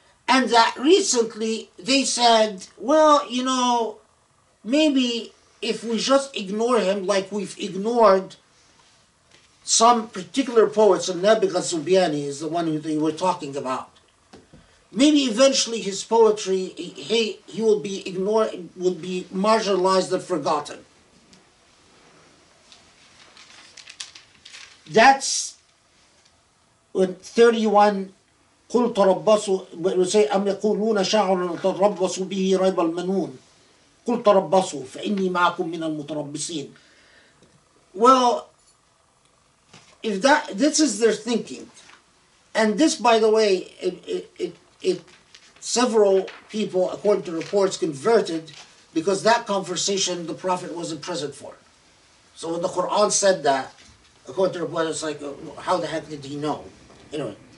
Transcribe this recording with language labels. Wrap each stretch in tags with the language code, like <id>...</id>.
<en>And that recently they said, well, you know, maybe if we just ignore him like we've ignored some particular poets, and Nebuchadnezzar Subiani is the one who they were talking about, maybe eventually his poetry, he will be ignored, will be marginalized and forgotten. That's when 31</en> <ar>قل تربصوا,</ar> <en>say,</en> <ar>أم يقولون شاعر تربصوا به ريب المنون قل تربصوا فإني معكم من المتربصين.</ar> <en>Well, if that, this is their thinking, and this, by the way, several people, according to reports, converted because that conversation the Prophet wasn't present for. So when the Quran said that, according to reports, it's like, how the heck did he know? Anyway.</en>